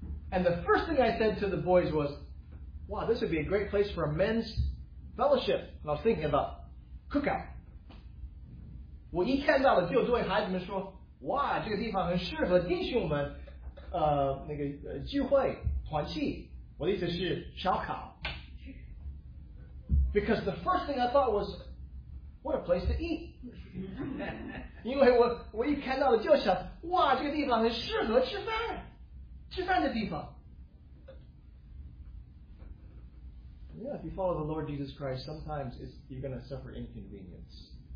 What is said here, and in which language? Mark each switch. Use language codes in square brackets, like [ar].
[en] And the first thing I said to the boys was, wow, this would be a great place for a men's fellowship. And I was thinking about cookout. [zh] 我一看到了就对孩子们说, 哇,这个地方很适合弟兄们, 那个聚会,团契, 我的意思是烧烤。 [en] Because the first thing I thought was, what a place to eat. [zh] 因为我一看到了就想, 哇,这个地方很适合吃饭, 吃饭的地方。 [en] Yeah, if you follow the Lord Jesus Christ, sometimes you're going to suffer inconvenience.